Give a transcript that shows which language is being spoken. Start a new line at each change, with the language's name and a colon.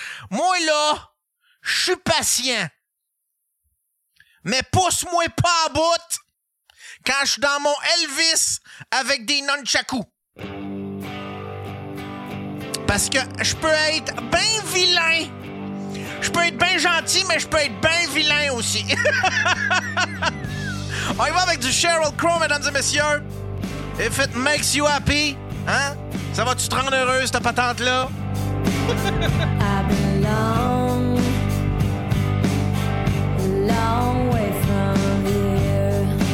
French: Moi, là, je suis patient. Mais pousse-moi pas à bout quand je suis dans mon Elvis avec des nunchaku. Parce que je peux être bien vilain. Je peux être bien gentil, mais je peux être bien vilain aussi. On y va avec du Sheryl Crow, mesdames et messieurs.
English: If it makes you happy, hein?
French: Ça va-tu te rendre heureux, cette patente-là?
English: I belong long way from here.